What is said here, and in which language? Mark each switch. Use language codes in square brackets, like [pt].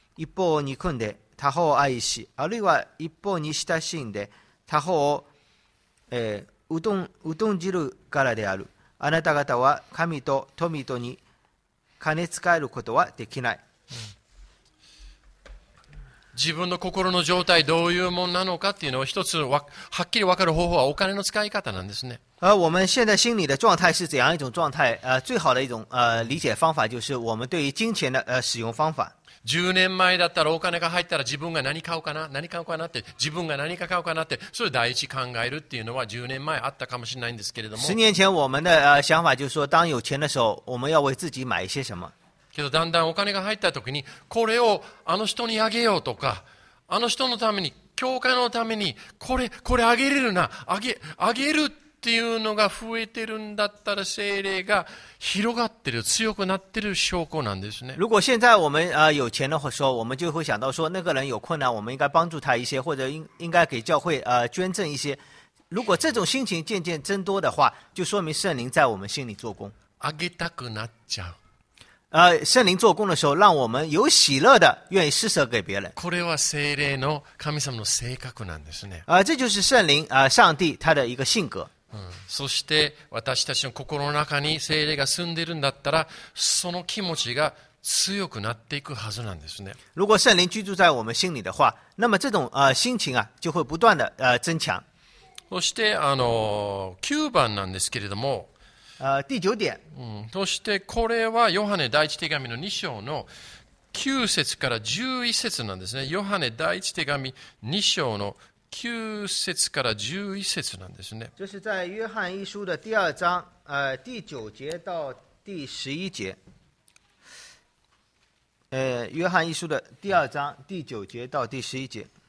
[ja] 一方を憎んで他方を愛し、あるいは一方に親しんで他方を、疎んじるからである。あなた方は神と富とに金使えることはできない。自分の心の状態どういうものなのかっていうのを一つはっきり分かる方法はお金の使い方なんですね。 [zh] 我们现在心里的状态是怎样一种状态？最好的一种理解方法就是我们对于金钱的使用方法。 [ja] 10年前だったらお金が入ったら自分が何買おうかな、何買おうかなって、自分が何か買おうかなって、それを第一考えるっていうのは10年前あったかもしれないんですけれども。 [zh] 10年前、我们的想法就是说、当有钱的时候、我们要为自己买一些什么。 [ja] けど、だんだんお金が入った時に、これをあの人にあげようとか、あの人のために、教会のために、これあげれるな、あげるっていうのが増えてるんだったら聖霊が広がってる強くなってる証拠なんですね。 [zh] 如果现在我们有钱的时候，我们就会想到说，那个人有困难，我们应该帮助他一些，或者应该给教会捐赠一些。如果这种心情渐渐增多的话，就说明圣灵在我们心里做工。 [ja] あげたくなっちゃう。 [zh] 圣灵做工的时候，让我们有喜乐的，愿意施舍给别人。 [ja] これは聖霊の神様の性格なんですね。 [zh] 这就是圣灵上帝他的一个性格。 [ja] そして私たちの心の中に聖霊が住んでいるんだったら、その気持ちが強くなっていくはずなんですね。 [zh] 如果圣灵居住在我们心里的话，那么这种心情啊就会不断的增强。 [ja] そして9番なんですけれども。 [zh] 第九点。 [ja] そしてこれはヨハネ第一手紙の2章の9節から11節なんですね。ヨハネ第一手紙2章の9節から11節なんですね。 [zh] 这是在约翰一书的第二章、第九节到第十一节。约翰一书的第二章第九节到第十一节。